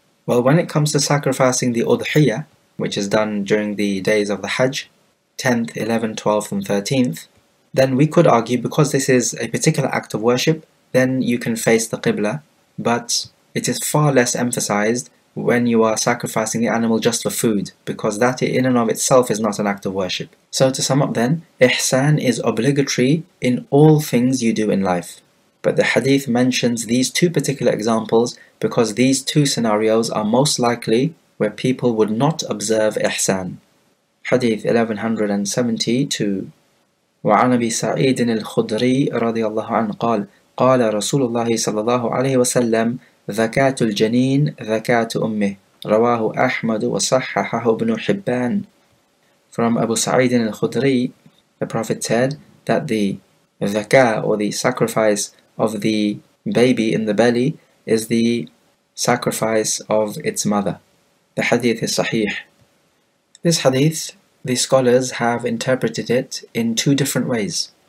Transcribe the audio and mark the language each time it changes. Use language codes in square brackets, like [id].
[en] Well, when it comes to sacrificing the Udhiyah, which is done during the days of the Hajj, 10th, 11th, 12th and 13th, then we could argue because this is a particular act of worship, then you can face the Qibla, but it is far less emphasized when you are sacrificing the animal just for food, because that in and of itself is not an act of worship. So to sum up then, Ihsan is obligatory in all things you do in life. But the hadith mentions these two particular examples because these two scenarios are most likely where people would not observe Ihsan. Hadith 1172. [ar] وعن أبي سعيد الخدري رضي الله عنه قال قال رسول الله صلى الله عليه وسلم زكاة الجنين زكاة أمه رواه أحمد وصححه ابن حبان. [en] From Abu Sa'id al-Khudri, the Prophet said that the zakah, or the sacrifice of the baby in the belly, is the sacrifice of its mother. The hadith is sahih. This hadith, the scholars have interpreted it in two different ways.